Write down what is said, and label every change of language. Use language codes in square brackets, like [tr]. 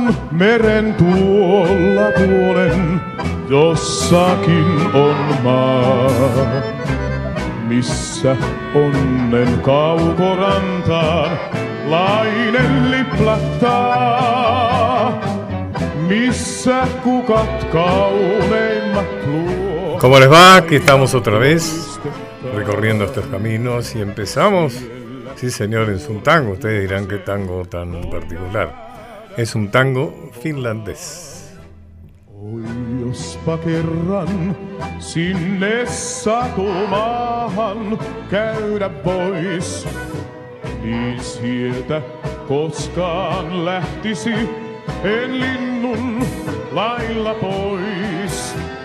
[fi] meren tuolla puolen, jossakin on maa, missä onnen kaukorantaan lainen liplahtaa. Missä kukat kauneimmat luo. [es] ¿Cómo les va? Aquí estamos otra vez recorriendo estos caminos y empezamos. Sí, señor, es un tango. Ustedes dirán qué tango tan particular. Es un tango finlandés. [fi] Oi, jospa kerran sinne satumaahan käydä pois, niin sieltä koskaan lähtisi en linnun lailla pois.